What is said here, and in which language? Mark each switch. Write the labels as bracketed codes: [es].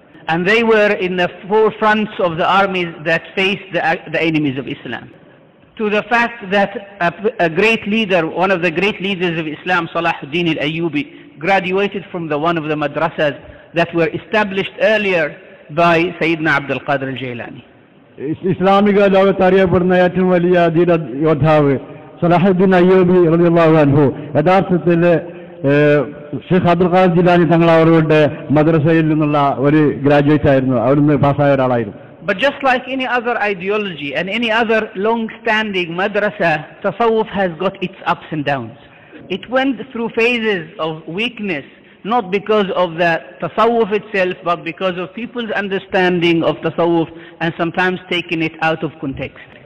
[en] And they were in the forefronts of the armies that faced the enemies of Islam. To the fact that a great leader, one of the great leaders of Islam, Salahuddin al-Ayyubi, graduated from one of the madrasas that were established earlier by Sayyidina Abdul Qadir al-Jailani. [ml] ഇസ്ലാമിക ലോകത്ത് അറിയപ്പെടുന്ന ഏറ്റവും വലിയ ധീര യോദ്ധാവ് സലാഹുദ്ദീൻ അയ്യൂബി റളിയല്ലാഹു അൻഹു യഥാർത്ഥത്തിൽ ഷെയ്ഖ് അബ്ദുൽ ഖാദിർ ജിലാനി തങ്ങൾ അവരുടെ മദ്രസയിൽ നിന്നുള്ള ഒരു ഗ്രാജുവേറ്റ് ആയിരുന്നു. അവിടുന്ന് പാസായ ഒരാളായിരുന്നു. [en] But just like any other ideology and any other long-standing madrasa, tasawwuf has got its ups and downs. It went through phases of weakness, not because of the tasawwuf itself, but because of people's understanding of tasawwuf and sometimes taking it out of context.